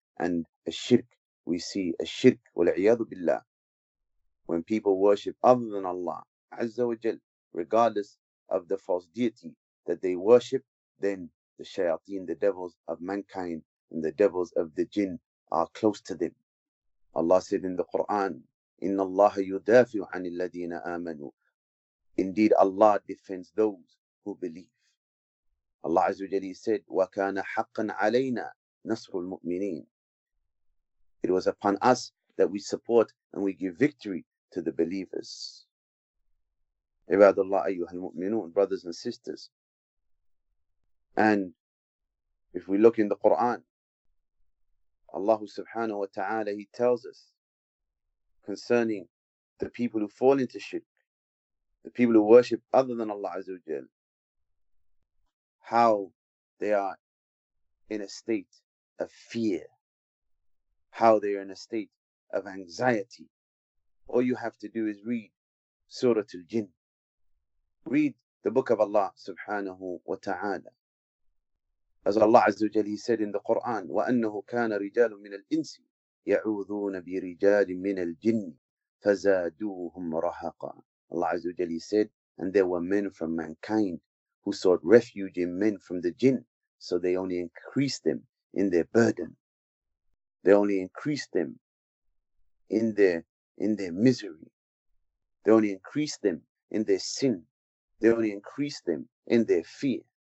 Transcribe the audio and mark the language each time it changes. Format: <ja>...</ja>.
<en>And a shirk, we see a shirk, wal-iyadu billah, when people worship other than Allah Azza wa Jal, regardless of the false deity that they worship, then the shayateen, the devils of mankind, and the devils of the jinn are close to them. Allah said in the Quran,</en> <ar>إِنَّ اللَّهَ يُدَافِعُ عَنِ الَّذِينَ آمَنُوا.</ar> <en>Indeed, Allah defends those who believe. Allah Azza wa Jalla said,</en> <ar>وَكَانَ حَقًّا عَلَيْنَا نَصْرُ الْمُؤْمِنِينَ.</ar> <en>It was upon us that we support and we give victory to the believers.</en> <ar>عباد الله أيها المؤمنون,</ar> <en>brothers and sisters. And if we look in the Quran, Allah subhanahu wa ta'ala, He tells us concerning the people who fall into shirk, the people who worship other than Allah Azza wa Jal, how they are in a state of fear, how they are in a state of anxiety. All you have to do is read Surah Al-Jinn. Read the book of Allah subhanahu wa ta'ala. As Allah Azza wa Jalla, He said in the Quran,</en> <ar>وَأَنَّهُ كَانَ رِجَالٌ مِنَ الْإِنْسِ يَعُوذُونَ بِرِجَالٍ مِنَ الْجِنِّ فَزَادُوهُمْ رَهَقًا.</ar> <en>Allah Azza wa Jalla, He said, and there were men from mankind who sought refuge in men from the jinn. So they only increased them in their burden. They only increased them in their misery. They only increased them in their sin. They only increased them in their fear.</en>